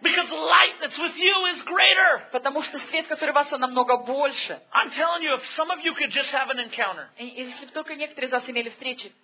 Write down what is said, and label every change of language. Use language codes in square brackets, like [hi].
[en] Because the light that's with you is greater. [ru] Потому что свет, который у вас, он намного больше. [en] I'm telling you, if some of you could just have an encounter, [ru] если только некоторые из вас имели встречи,